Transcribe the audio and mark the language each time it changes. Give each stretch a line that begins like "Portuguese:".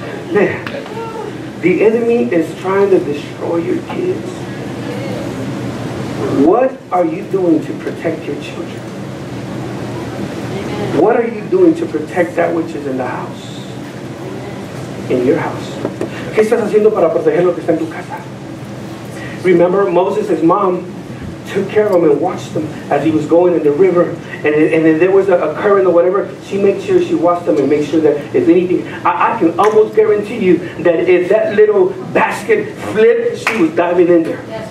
English: Man, the enemy is trying to destroy your kids. What are you doing to protect your children? What are you doing to protect that which is in the house? In your house.
Spanish: ¿Qué estás haciendo para proteger lo que está en tu casa?
English: Remember, Moses' mom took care of him and watched him as he was going in the river. And then there was a current or whatever. She made sure she watched him and made sure that if anything, I can almost guarantee you that if that little basket flipped, she was diving in there.